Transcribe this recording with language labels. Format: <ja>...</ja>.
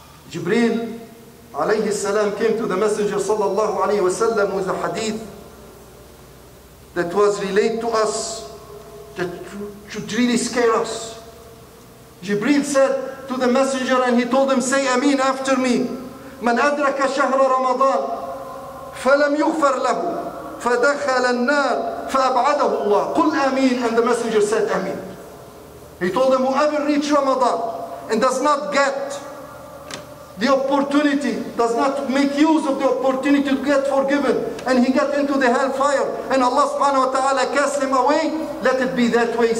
<en>Jibreel alayhi salam came to the Messenger sallallahu alayhi wa sallam with a hadith that was relayed to us that should really scare us. Jibreel said to the Messenger, and he told him, say ameen after me.</en> <ar>من أدرك شهر رمضان فلم يغفر له فدخل النار فأبعده الله. قل آمين.</ar> <en>And the Messenger said آمين. He told them, whoever reached Ramadan and does not get the opportunity, does not make use of the opportunity to get forgiven, and he get into the hellfire and Allah subhanahu wa ta'ala cast him away, let it be that way.</en>